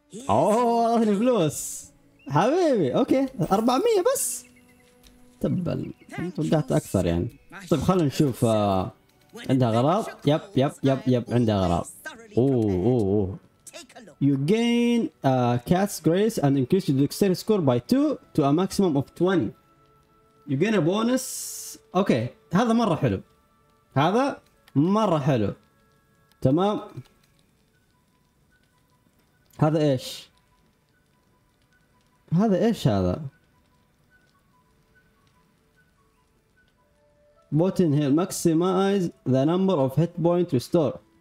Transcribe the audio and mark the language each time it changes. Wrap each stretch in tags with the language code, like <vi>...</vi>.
<ar>اوه فلوس حبيبي, اوكي 400 بس تبل توقعت اكثر يعني. طيب خلينا نشوف عندها غراض. يب يب يب يب عندها غراض.</ar> <en>اوه you gain cat's grace and increase your dexterity score by 2 to a maximum of 20. you gain a bonus.</en> <ar>اوكي هذا مره حلو, هذا مره حلو تمام. هذا ايش, هذا ايش هذا؟</ar> <en>Potion heal maximize the number of hit point restore.</en>